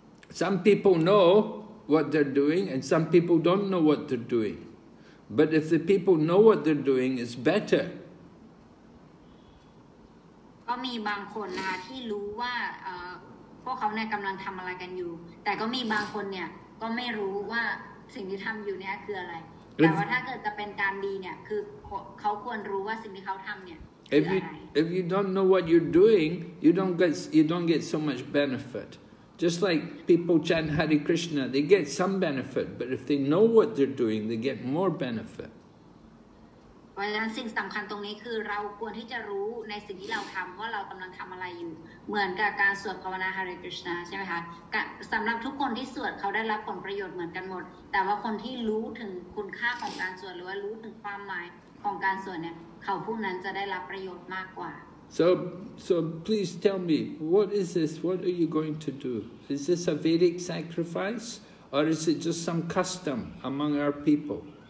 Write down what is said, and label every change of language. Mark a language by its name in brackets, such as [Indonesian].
[English] Some people know what they're doing and some people don't know what they're doing. But if the people know what they're doing, it's better. [Thai] ก็มีบางคนนะที่รู้ว่าพวกเขาเนี่ยกำลังทำอะไรกันอยู่แต่ก็มีบางคนเนี่ยก็ไม่รู้ว่าสิ่งที่ทำอยู่เนี่ยคืออะไรแต่ว่าถ้าเกิดจะเป็นการดีเนี่ยคือเขาควรรู้ว่าสิ่งที่เขาทำเนี่ยคืออะไร [English] If you don't know what you're doing you don't get so much benefit just like people chant Hare Krishna they get some benefit but if they know what they're doing they get more benefit [Thai] เพราะฉะนั้นสิ่งสำคัญตรงนี้คือเราควรที่จะรู้ในสิ่งที่เราทำว่าเรากำลังทำอะไรอยู่เหมือนกับการสวดภาวนาฮาริคริชนาใช่ไหมคะสำหรับทุกคนที่สวดเขาได้รับผลประโยชน์เหมือนกันหมดแต่ว่าคนที่รู้ถึงคุณค่าของการสวดหรือว่ารู้ถึงความหมายของการสวดเนี่ยเขาผู้นั้นจะได้รับประโยชน์มากกว่า [English] So please tell me what is this what are you going to do is this a Vedic sacrifice or is it just some custom among our people